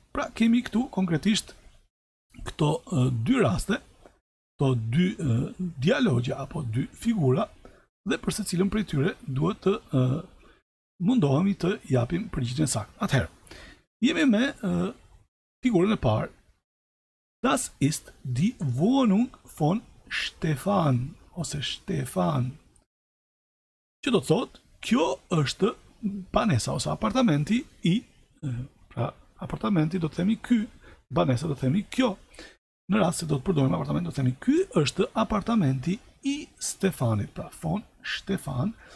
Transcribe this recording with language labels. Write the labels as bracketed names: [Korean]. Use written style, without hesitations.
[Albanian] Pra kemi këtu konkretisht këto dy raste, këto dy dialogje apo dy figura dhe për secilën prej tyre duhet të mundohemi të japim përgjigjen saktë. Atëherë, jemi me figurën e parë. [German] Das ist die Wohnung von Stefan [Albanian] ose [German] Stefan. [Albanian] Që do të thotë, kjo është banesa ose apartamenti i pra apartamenti do të themi ky, banesa do të themi kjo. Në rast se do të përdorim apartament do të themi ky është apartamenti i Stefanit, pra [German] von Stefan.